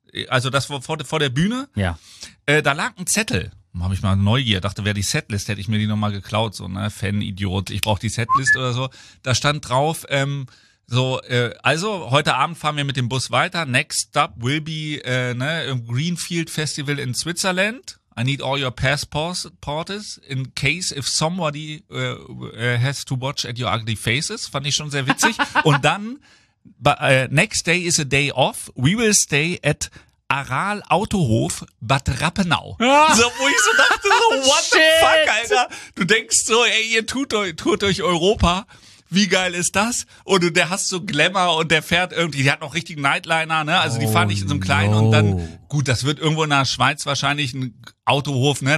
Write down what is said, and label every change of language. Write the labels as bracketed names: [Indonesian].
[German] Also das vor der Bühne. Ja. Da lag ein Zettel. Habe ich mal Neugier. Dachte, wäre die Setlist, hätte ich mir die nochmal geklaut. So, ne, Fan-Idiot, ich brauche die Setlist oder so. Da stand drauf, also heute Abend fahren wir mit dem Bus weiter. [English] Next stop will be im Greenfield Festival in Switzerland. I need all your passports in case if somebody has to watch at your ugly faces. [German] Fand ich schon sehr witzig. Und dann, [English] next day is a day off. We will stay at Aral Autohof Bad Rappenau. [German] So, wo ich so dachte, so, [English] what the fuck, [German] Alter? Du denkst so, ey, ihr tourt euch Europa. wie geil ist das? Und der hast so Glamour und der fährt irgendwie, die hat noch richtigen Nightliner, ne? Also die fahren nicht in so einem kleinen und dann, gut, das wird irgendwo in der Schweiz wahrscheinlich ein Autohof, ne?